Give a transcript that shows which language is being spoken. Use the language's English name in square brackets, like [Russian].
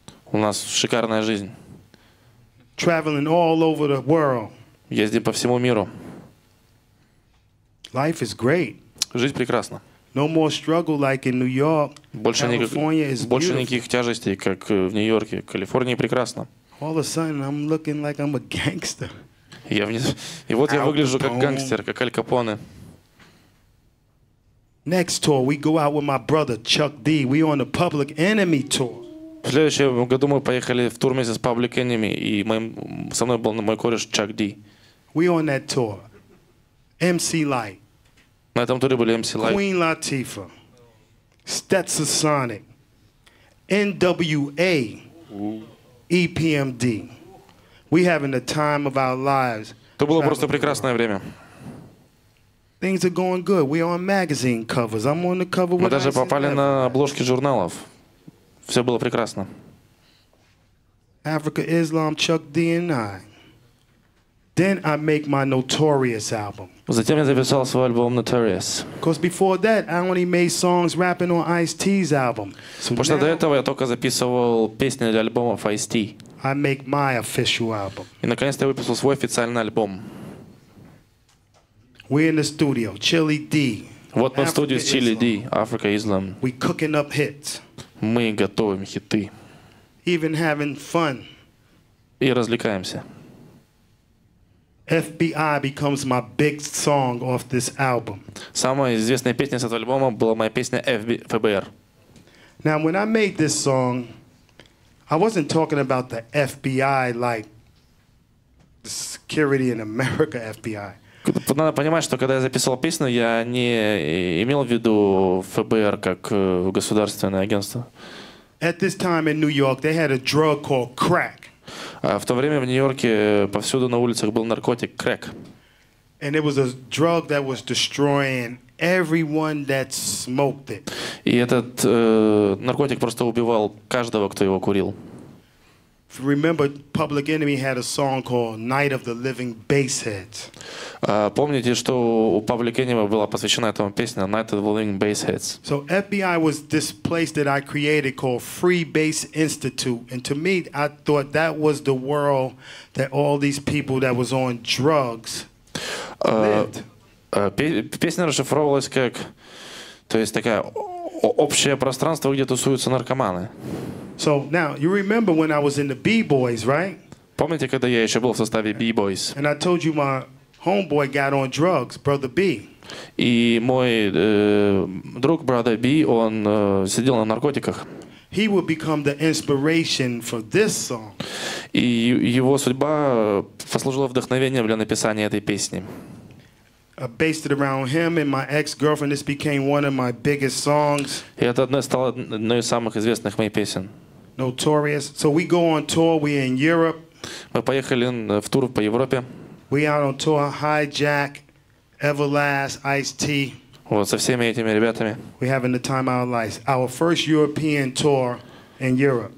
[Russian] У нас шикарная жизнь. [English] Traveling all over the world. [Russian] Ездим по всему миру. [English] Life is great. [Russian] Жизнь прекрасна. [English] No more struggle like in New York. [Russian] Больше, больше никаких тяжестей, как в Нью-Йорке. Калифорния прекрасна. [English] All of a sudden, I'm looking like I'm a gangster. [Russian] Я выгляжу как гангстер, как Аль Капоне. [English] Next tour, we go out with my brother Chuck D. We on the Public Enemy tour. [Russian] В следующем году мы поехали в тур вместе с Public Enemy, и со мной был мой кореш Chuck D. [English] We on that tour. MC Light. [Russian] На этом туре были MC Light. [English] Queen Latifah. Stetsasonic. N.W.A. EPMD. We having the time of our lives. [Russian] Это было просто прекрасное время. [English] Things are going good. We're on magazine covers. I'm on the cover with. [Russian] Мы даже попали на обложки журналов. Все было прекрасно. [English] Africa Islam, Chuck D and I. Then I make my Notorious album. [Russian] Затем я записал свой альбом Notorious. [English] Because before that, I only made songs rapping on Ice-T's album. [Russian] Потому что до этого я только записывал песни для альбомов Ice-T. [English] I make my official album. [Russian] И наконец-то я выпустил свой официальный альбом. [English] We're in the studio, Chili D. [Russian] Вот мы в студии с Chili D, Africa Islam. [English] We cooking up hits. [Russian] Мы готовим хиты. [English] Even having fun. [Russian] И развлекаемся. [English] FBI becomes my big song off this album. [Russian] Самая известная песня с этого альбома была моя песня ФБР. [English] Now when I made this song, I wasn't talking about the FBI like the security in America FBI. [Russian] Надо понимать, что когда я записал песню, я не имел в виду ФБР как государственное агентство. [English] At this time in New York, they had a drug called crack. [Russian] В то время в Нью-Йорке повсюду на улицах был наркотик крэк. [English] And it was a drug that was destroying everyone that smoked it. [Russian] И этот наркотик просто убивал каждого, кто его курил. [English] Remember, Public Enemy had a song called "Night of the Living Bassheads." [Russian] Помните, что у Public Enemy была посвящена этому песня "Night of the Living Bassheads." [English] So FBI was this place that I created called Free Bass Institute, and to me, I thought that was the world that all these people that was on drugs lived. [Russian] Песня расшифровывалась как, то есть такая общее пространство, где тусуются наркоманы. [English] So now you remember when I was in the B-Boys, right? [Russian] Помните, когда я ещё был в составе B-Boys? [English] And I told you my homeboy got on drugs, brother B. [Russian] И мой друг brother B, он сидел на наркотиках. [English] He would become the inspiration for this song. [Russian] И его судьба послужила вдохновением для написания этой песни. [English] Based it around him and my ex-girlfriend, this became one of my biggest songs. [Russian] Это стало одной из самых известных моих песен. [English] Notorious. So we go on tour. We in Europe. [Russian] Мы поехали в тур по Европе. [English] We out on tour. Hijack, Everlast, Ice-T. [Russian] Вот со всеми этими ребятами. [English] We having the time of our lives. Our first European tour in Europe.